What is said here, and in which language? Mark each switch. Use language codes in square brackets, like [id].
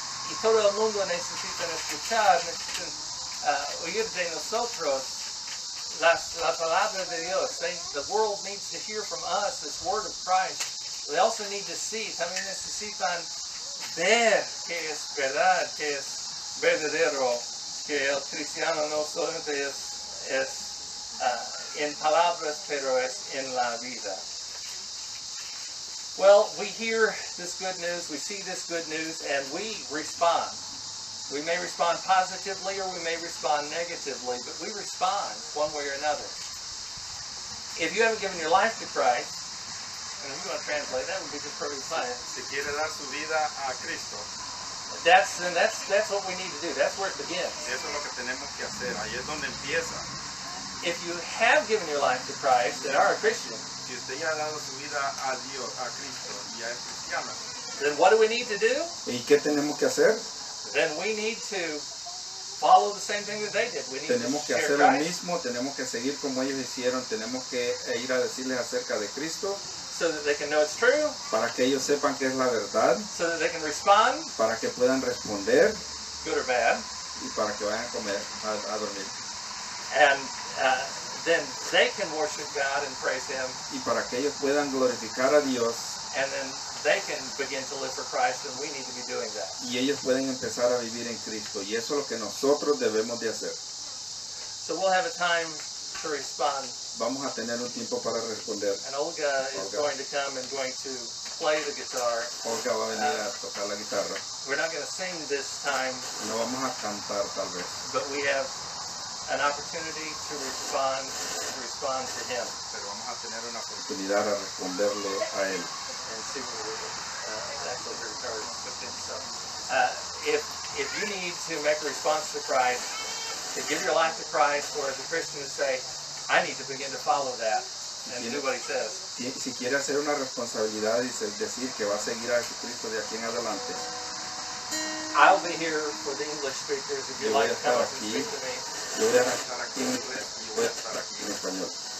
[es] Y todo el mundo necesita escuchar, necesita oír de nosotros la palabra de Dios. [en] The world needs to hear from us this word of Christ. We also need to see. [es] También necesitan ver que es verdad, que es verdadero, que el cristiano no solamente es en palabras, pero es en la vida. [en] Well, we hear this good news, we see this good news, and we respond. We may respond positively or we may respond negatively, but we respond one way or another. If you haven't given your life to Christ, and if you want to translate, that would be just perfectly fine. [es] Si quiere dar su vida a Cristo. [en] That's what we need to do. That's where it begins. [es] Eso es lo que tenemos que hacer. Ahí es donde empieza. [en] If you have given your life to Christ and are a Christian, [es] si usted ya ha dado su vida a Dios, a Cristo, y ya es cristiano, [en] then what do we need to do? [es] ¿Y qué tenemos que hacer? [en] Then we need to follow the same thing that they did. We need [es] tenemos [en] to share Christ. [es] Lo mismo, tenemos que seguir como ellos hicieron, tenemos que ir a decirles acerca de Cristo. [en] So that they can know it's true. [es] Para que ellos sepan que es la verdad. [en] So that they can respond. [es] Para que puedan responder. [en] Good or bad. [es] Y para que vayan a comer, a dormir. [en] And then they can worship God and praise Him. [es] Y para que ellos puedan glorificar a Dios. [en] And then they can begin to live for Christ, and we need to be doing that. [es] Y ellos pueden empezar a vivir en Cristo, y eso es lo que nosotros debemos de hacer. [en] So we'll have a time to respond. [es] Vamos a tener un tiempo para responder. [en] And Olga is going to come and going to play the guitar. [es] Olga va a venir a tocar la guitarra. [en] We're not going to sing this time. [es] No vamos a cantar, tal vez. [en] But we have an opportunity to respond to Him. [es] Pero vamos a tener una oportunidad a responderle a Él. [en] And see what we're actually very hard to put in. So if you need to make a response to Christ, to give your life to Christ, or as a Christian to say, I need to begin to follow that, and do what He says. [es] Si quiere hacer una responsabilidad y decir que va a seguir a Jesucristo de aquí en adelante. [en] I'll be here for the English speakers if you'd like to come up and speak to me. [es] Yo voy a estar aquí en inglés y voy a estar aquí en español.